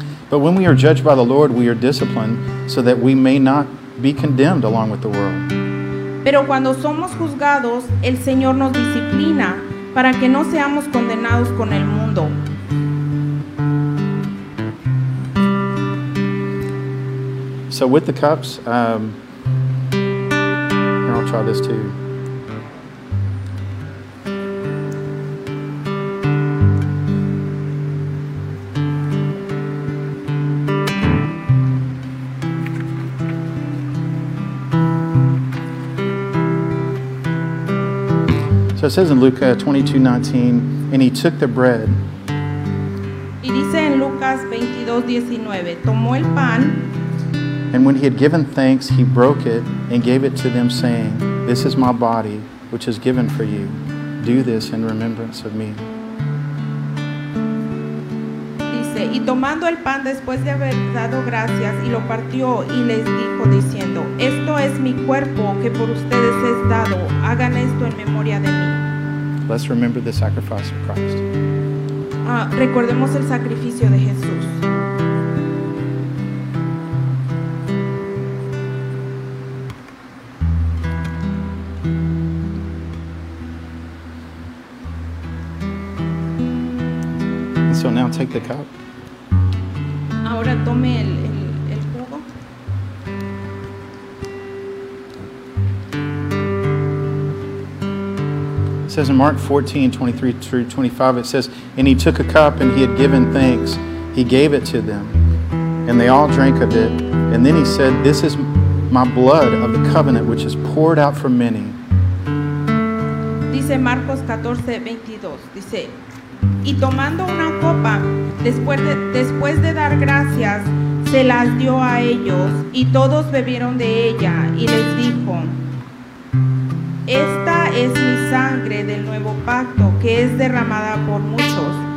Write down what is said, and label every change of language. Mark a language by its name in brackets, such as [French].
[English] But when we are judged by the Lord, we are disciplined so that we may not be condemned along with the world. [Spanish] Pero cuando somos juzgados, el Señor nos disciplina para que no seamos condenados con el mundo. [English] So with the cups, here, I'll try this too. So it says in Luke 22:19, and he took the bread. [Spanish] Y dice en Lucas 22:19, tomó el pan. [English] And when he had given thanks, he broke it and gave it to them, saying, "This is my body, which is given for you. Do this in remembrance of me." [Spanish] Dice, y tomando el pan después de haber dado gracias, y lo partió y les dijo, diciendo, "Esto es mi cuerpo que por ustedes es dado. Hagan esto en memoria de mí." [English] Let's remember the sacrifice of Christ. [Spanish] Recordemos el sacrificio de Jesús. [English] So now take the cup. [Spanish] Ahora tome el jugo. [English] It says in Mark 14:23-25, it says, and he took a cup and he had given thanks. He gave it to them and they all drank of it. And then he said, "This is my blood of the covenant, which is poured out for many." [Spanish] Dice Marcos 14:22. Dice, y tomando una copa, después de dar gracias, se las dio a ellos, y todos bebieron de ella, y les dijo, "Esta es mi sangre del nuevo pacto, que es derramada por muchos.